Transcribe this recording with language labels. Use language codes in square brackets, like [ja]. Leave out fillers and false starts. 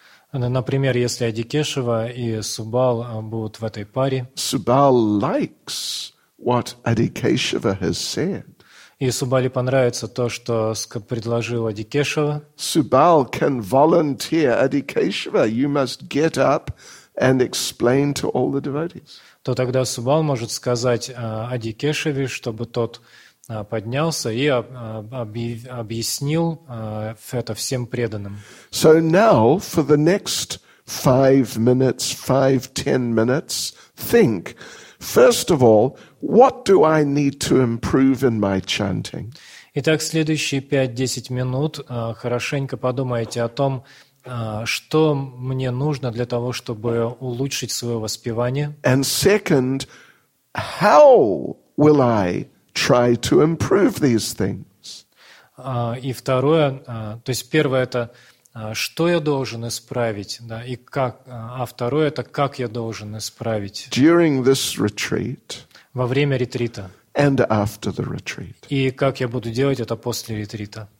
[ru] например, если Ади Кешева и Субал будут в этой паре, [en] Subal likes what Adi Keshava has said, [ru] и Субале понравится то, что предложил Ади Кешева, [en] Subal can volunteer Adi Keshava, you must get up and explain to all the devotees. [ru] То тогда Субал может сказать Ади Кешеве, чтобы тот поднялся и объяснил это всем преданным. [en] So now, for the next 5 minutes, 5-10 minutes, think, first of all, what do I need to improve in my chanting? [ru] Итак, следующие 5-10 минут хорошенько подумайте о том, что мне нужно для того, чтобы улучшить свое воспевание. [en] And second, how will I try to improve these things? [ru] И второе, то есть первое это что я должен исправить, да, и как, а второе это как я должен исправить. [en] During this retreat. [ru] Во время ретрита. [en] And after the retreat. [ru] И как я буду делать это после ретрита.